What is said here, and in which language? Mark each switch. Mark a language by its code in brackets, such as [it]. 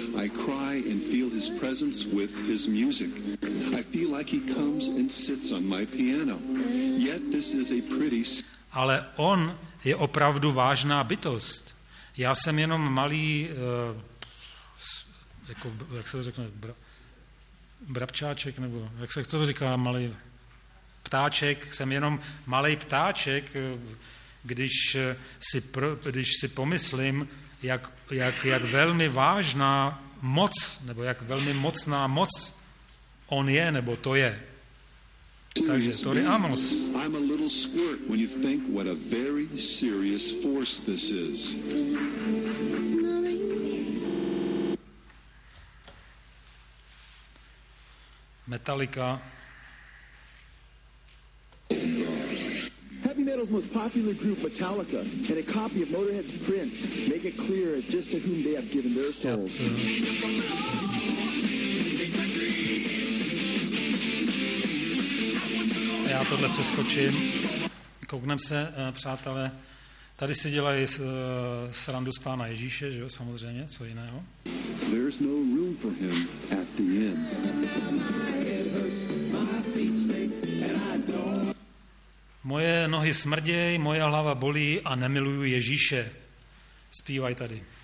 [en] I cry and feel his presence with his music. I feel like he comes and sits on my piano. Yet this is a pretty. [cs] Ale on je opravdu vážná bytost. Já jsem jenom malý, jako, jak se to řekne, brabčáček, nebo jak se to říká, malý ptáček, jsem jenom malý ptáček, když si pomyslím, jak velmi vážná moc, nebo jak velmi mocná moc on je, nebo to je. Takže Tori Amos. [en] I'm a little squirt when you think what a very serious force this is. Metallica. Heavy metal's most popular group, Metallica, and a copy of Motorhead's Prince make it clear just to whom they have given their souls. [cs] Já tohle přeskočím. Koukneme se, přátelé. Tady si dělají srandu z Pána Ježíše, že jo, samozřejmě, co jiného. [en] There's no room for him at the end. [cs] Moje nohy smrděj, moje hlava bolí a nemiluju Ježíše. Zpívaj tady.